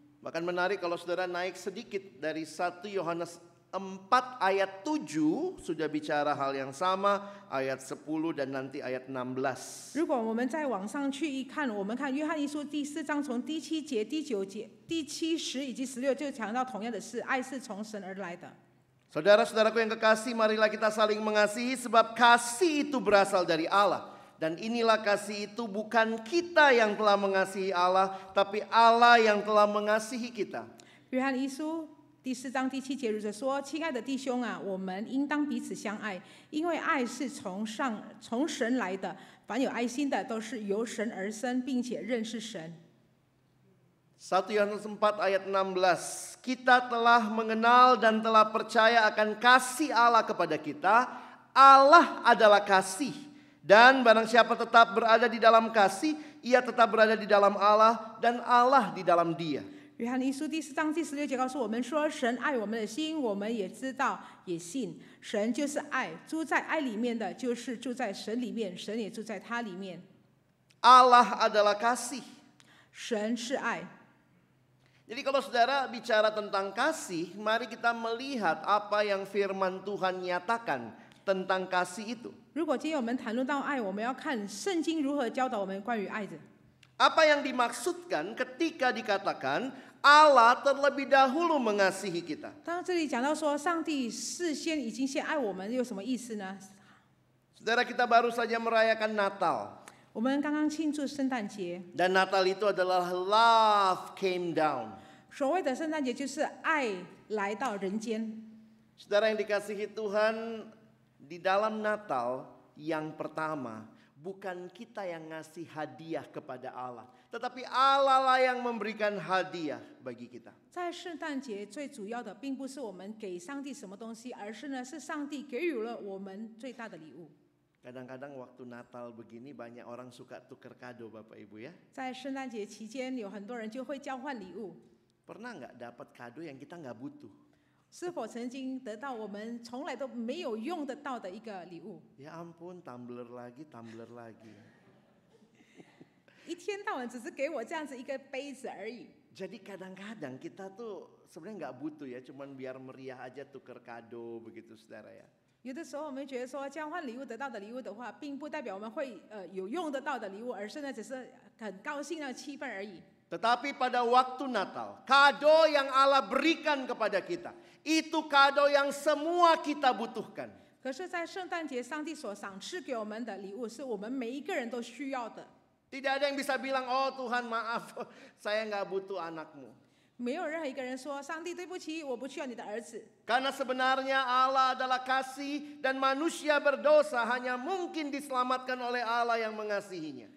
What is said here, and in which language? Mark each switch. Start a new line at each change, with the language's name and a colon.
Indonesian: Bahkan menarik kalau saudara naik sedikit dari 1 Yohanes 4 ayat 7 sudah bicara hal yang sama, ayat 10 dan nanti ayat 16.
Chinese: 如果我们再往上去一看，我们看约翰一书第四章从第七节、第九节、第七十以及十六就强调同样的是，爱是从神而来的。
Indonesian: Saudara-saudaraku yang kekasih, marilah kita saling mengasihi sebab kasih itu berasal dari Allah. Dan inilah kasih itu bukan kita yang telah mengasihi Allah, tapi Allah yang telah mengasihi kita.
Chinese: 约翰一书第四章第七节如此说，亲爱的弟兄啊，我们应当彼此相爱，因为爱是从神来的，凡有爱心的都是由神而生，并且认识神。
Indonesian: 1 Yohanes 4 ayat 16, kita telah mengenal dan telah percaya akan kasih Allah kepada kita. Allah adalah kasih, dan barang siapa tetap berada di dalam kasih, ia tetap berada di dalam Allah dan Allah di dalam dia。
Chinese: 约翰一书第四章第十六节告诉我们说，神爱我们的心，我们也知道也信，神就是爱，住在爱里面的就是住在神里面，神也住在他里面。
Indonesian: Allah adalah kasih，
Chinese: 神是爱。
Indonesian: Jadi kalau saudara bicara tentang kasih, mari kita melihat apa yang Firman Tuhan nyatakan tentang kasih itu。
Chinese: 如果今天我们谈论到爱，我们要看圣经如何教导我们关于爱的。
Indonesian: Apa yang dimaksudkan ketika dikatakan Allah terlebih dahulu mengasihi kita?
Chinese: 当这里讲到说上帝事先已经先爱我们，有什么意思呢？
Indonesian: Saudara, kita baru saja merayakan Natal.
Chinese: 我们刚刚庆祝圣诞节。
Indonesian: Dan Natal itu adalah
English: love came down.
Chinese: 所谓的圣诞节就是爱来到人间。
Indonesian: Saudara yang dikasihi Tuhan, di dalam Natal yang pertama,bukan kita yang ngasih hadiah kepada Allah, tetapi Allah lah yang memberikan hadiah bagi kita.
Chinese: 在圣诞节最主要的并不是我们给上帝什么东西，而是呢是上帝给予了我们最大的礼物。
Indonesian: Kadang-kadang waktu Natal begini banyak orang suka tuker kado, Bapak Ibu ya.
Chinese: 在圣诞节期间有很多人就会交换礼物。
Indonesian: Pernah enggak dapat kado yang kita enggak butuh?
Chinese: 是否曾经得到我们从来都没有用得到的一个礼物？
Indonesian: Ya ampun, tumbler lagi, tumbler lagi.
Chinese: 一天到晚只是给我这样子一个杯子而已。
Indonesian: Jadi kadang-kadang kita tuh sebenarnya enggak butuh ya, cuman biar meriah aja tuker kado begitu, saudara ya.
Chinese: 有的时候我们觉得说交换礼物得到的礼物的话，并不代表我们会有用得到的礼物，而是呢只是很高兴的气氛而已。
Indonesian: Tetapi pada waktu Natal, kado yang Allah berikan kepada kita, itu kado yang semua kita butuhkan.
Chinese: 可是在圣诞节上帝所赏赐给我们的礼物是我们每一个人都需要的。
Indonesian: Tidak ada yang bisa bilang, oh Tuhan maaf, saya enggak butuh anakmu.
Chinese: 没有任何一个人说，上帝对不起，我不需要你的儿子。
Indonesian: Karena sebenarnya Allah adalah kasih dan manusia berdosa hanya mungkin diselamatkan oleh Allah yang mengasihinya.